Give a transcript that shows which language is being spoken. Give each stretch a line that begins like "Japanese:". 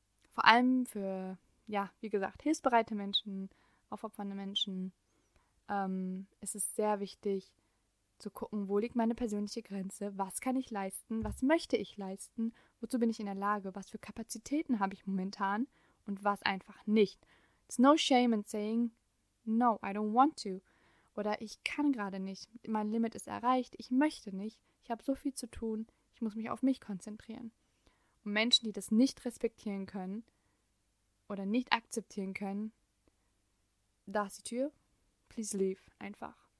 German: Vor allem für, ja, wie gesagt, hilfsbereite Menschen, aufopfernde Menschen. Es ist sehr wichtig zu gucken, wo liegt meine persönliche Grenze, was kann ich leisten, was möchte ich leisten, wozu bin ich in der Lage, was für Kapazitäten habe ich momentan und was einfach nicht.
English: It's no shame in saying, no, I don't want to.
German: Oder ich kann gerade nicht, mein Limit ist erreicht, ich möchte nicht, ich habe so viel zu tun, ich muss mich auf mich konzentrieren. Und Menschen, die das nicht respektieren können oder nicht akzeptieren können, da ist die Tür.
English: please leave,
German: einfach.